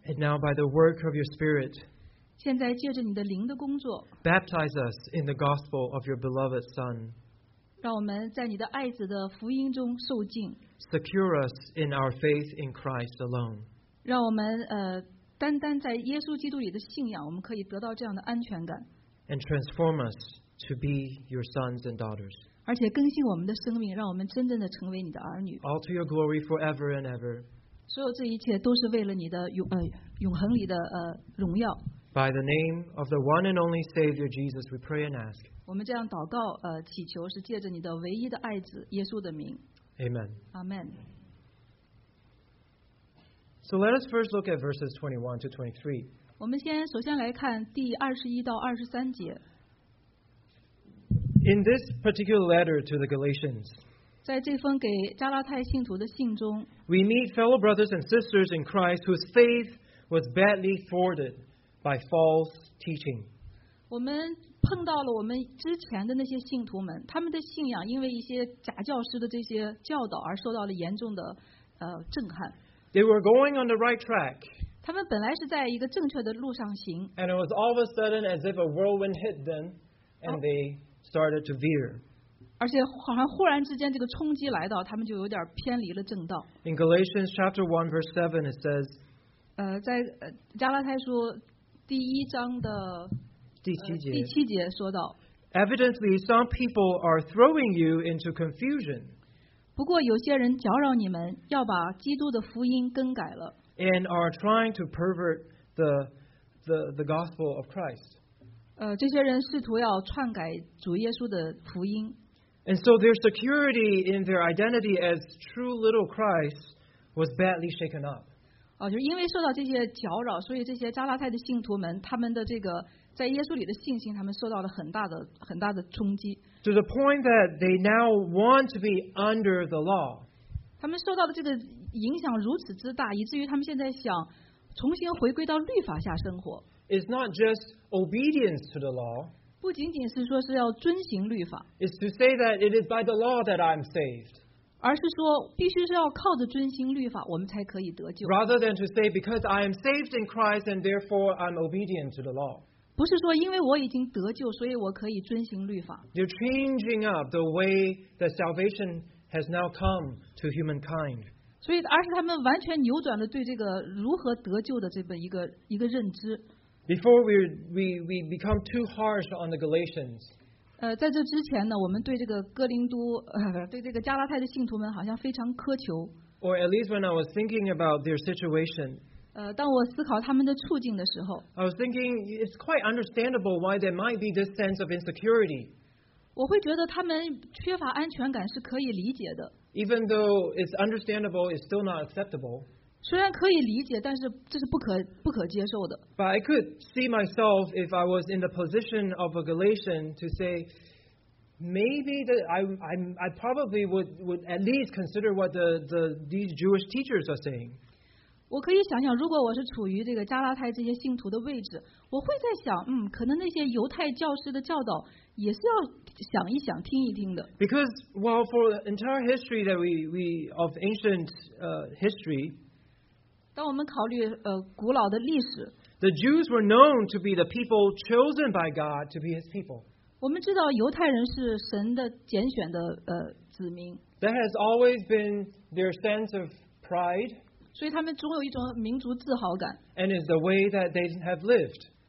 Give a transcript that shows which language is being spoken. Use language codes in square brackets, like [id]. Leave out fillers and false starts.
[en] And now by the work of your Spirit, [zh] 现在借着你的灵的工作， [en] Baptize us in the gospel of your beloved Son. [zh] 让我们在你的爱子的福音中受浸。 [en] Secure us in our faith in Christ alone. [zh] 让我们单单在耶稣基督里的信仰，我们可以得到这样的安全感。 [en] And transform us to be your sons and daughters. [zh] 而且更新我们的生命，让我们真正的成为你的儿女。 [en] All to your glory forever and ever. [zh] 所有这一切都是为了你的永恒里的荣耀。 [en] By the name of the one and only Savior Jesus, we pray and ask. [zh] 我们这样祷告祈求是借着你的唯一的爱子耶稣的名。 [en] Amen. Amen. So let us first look at verses 21 to 23. [zh] 我们先首先来看第21到23节。 [en] In this particular letter to the Galatians, [zh] 在这封给加拉太信徒的信中， [en] we meet fellow brothers and sisters in Christ whose faith was badly thwarted by false teaching. [zh] 我们碰到了我们之前的那些信徒们，他们的信仰因为一些假教师的这些教导而受到了严重的震撼。 [en] They were going on the right track. [zh] 他们本来是在一个正确的路上行。 [en] And it was all of a sudden as if a whirlwind hit them, and they started to veer. [zh] 而且好像忽然之间这个冲击来到，他们就有点偏离了正道。 [en] In Galatians chapter 1 verse 7 it says, [zh] 在加拉太书第一章的第七节说到， [en] Evidently, some people are throwing you into confusion. [zh] 不过有些人搅扰你们，要把基督的福音更改了。 [en] And are trying to pervert the gospel of Christ. [zh] 这些人试图要篡改主耶稣的福音。 [en] And so their security in their identity as true little Christ was badly shaken up. [zh] 就是因为受到这些搅扰，所以这些加拉太的信徒们，他们的这个在耶稣里的信心，他们受到了很大的冲击。 [en] To the point that they now want to be under the law. [zh] 他们受到的这个影响如此之大，以至于他们现在想重新回归到律法下生活。 [en] It's not just obedience to the law. [zh] 不仅仅是说是要遵行律法。 [en] It's to say that it is by the law that I'm saved. [zh] 而是说必须是要靠着遵行律法我们才可以得救。 [en] Rather than to say because I am saved in Christ and therefore I'm obedient to the law. [zh] 不是说因为我已经得救所以我可以遵行律法。 [en] You're changing up the way that salvation has now come to humankind. [zh] 所以而是他们完全扭转了对这个如何得救的这么一个认知。 [en] Before we become too harsh on the Galatians, [zh] 在这之前呢，我们对这个哥林都，对这个加拉太的信徒们好像非常苛求。 [en] Or at least when I was thinking about their situation. [zh] 当我思考他们的处境的时候 [en] ，I was thinking it's quite understandable why there might be this sense of insecurity. [zh] 我会觉得他们缺乏安全感是可以理解的。 [en] Even though it's understandable, it's still not acceptable. [zh] 虽然可以理解，但是这是不可接受的。 [en] But I could see myself if I was in the position of a Galatian to say, maybe that I probably would at least consider what these Jewish teachers are saying. [zh] 我可以想想，如果我是处于这个加拉太这些信徒的位置，我会在想，可能那些犹太教师的教导也是要想一想、听一听的。 [en] Because well, for entire history that we of ancient history. [zh] 当我们考虑古老的历史 [en] ，The Jews were known to be the people chosen by God to be His people. [zh] 我们知道犹太人是神的拣选的子民。 [en] That has always been their sense of pride. [zh] 所以他们总有一种民族自豪感。 [en] And is the way that they have lived.